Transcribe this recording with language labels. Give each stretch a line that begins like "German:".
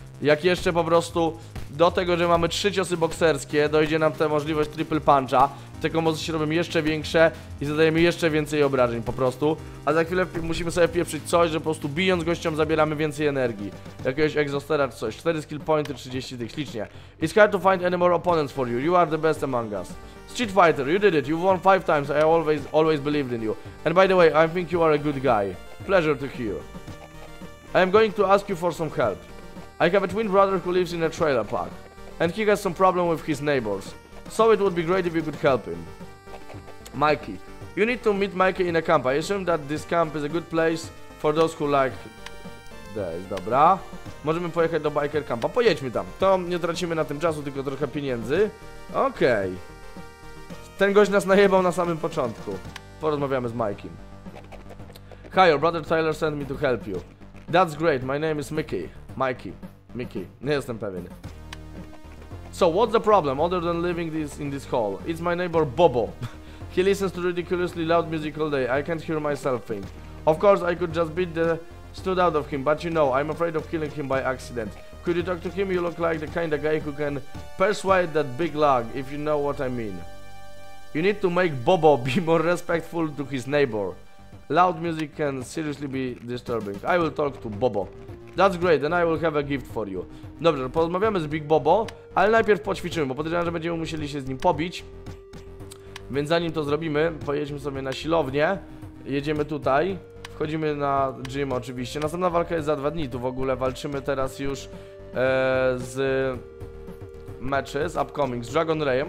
Polish: jak jeszcze po prostu do tego, że mamy trzy ciosy bokserskie, dojdzie nam ta możliwość triple puncha, te komozy się robią jeszcze większe i zadajemy jeszcze więcej obrażeń po prostu. A za chwilę musimy sobie pieprzyć coś, że po prostu bijąc gościom zabieramy więcej energii. Jakiegoś exhaustera czy coś, 4 skill pointy, 30 tych, ślicznie.
English: It's hard to find any more opponents for you, you are the best among us. Street Fighter, you did it, you won 5 times, I always believed in you. And by the way, I think you are a good guy. Pleasure to hear you. I am going to ask you for some help. I have a twin brother who lives in a trailer park. And he has some problem with his neighbors. So it would be great if you could help him. Mikey. You need to meet Mikey in a camp. I assume that this camp is a good place for those who like... There is,
Polish: dobra. Możemy pojechać do biker campa. Pojedźmy tam. To nie tracimy na tym czasu, tylko trochę pieniędzy. Okej. Ten gość nas najebał na samym początku. Porozmawiamy z Mikey.
English: Hi, your brother Tyler sent me to help you. That's great, my name is Mickey. Mickey,
Polish: nie jestem pewien.
English: So, what's the problem other than living in this hall? It's my neighbor Bobo. He listens to ridiculously loud music all day. I can't hear myself think. Of course, I could just beat the stood out of him, but you know, I'm afraid of killing him by accident. Could you talk to him? You look like the kind of guy who can persuade that big lug, if you know what I mean. You need to make Bobo be more respectful to his neighbor. Loud music can seriously be disturbing. I will talk to Bobo. That's great, then I will have a gift for you.
Polish: Dobrze, porozmawiamy z Big Bobo, ale najpierw poćwiczymy, bo podejrzewam, że będziemy musieli się z nim pobić. Więc zanim to zrobimy, pojedźmy sobie na silownię. Jedziemy tutaj. Wchodzimy na gym oczywiście. Następna walka jest za 2 dni, tu w ogóle walczymy teraz już z matches upcoming, z Dragon Rayem.